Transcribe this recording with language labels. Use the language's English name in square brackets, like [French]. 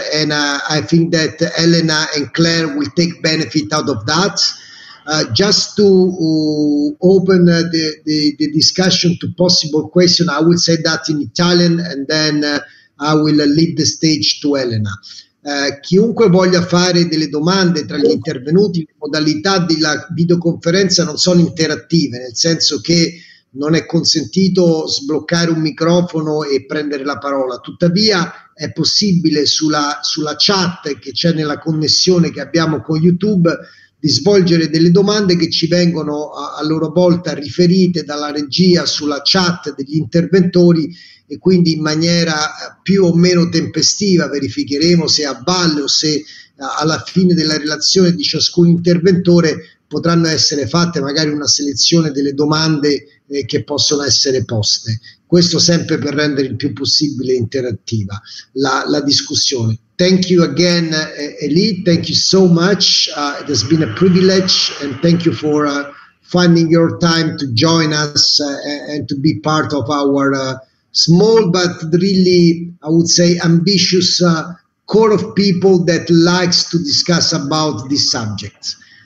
[English] And I think that Elena and Claire will take benefit out of that. Just to open the discussion to possible questions, I will say that in Italian, and then I will leave the stage to Elena. [Italian] Chiunque voglia fare delle domande tra gli intervenuti, le modalità della videoconferenza non sono interattive, nel senso che non è consentito sbloccare un microfono e prendere la parola. Tuttavia è possibile sulla chat che c'è nella connessione che abbiamo con YouTube di svolgere delle domande che ci vengono a loro volta riferite dalla regia sulla chat degli interventori, e quindi in maniera più o meno tempestiva verificheremo se a valle o se alla fine della relazione di ciascun interventore potranno essere fatte magari una selezione delle domande che possono essere poste. Questo sempre per rendere il più possibile interattiva la discussione. [English] Thank you again, Eli. Thank you so much. It has been a privilege, and thank you for finding your time to join us and to be part of our small but really, I would say, ambitious core of people that likes to discuss about this subject.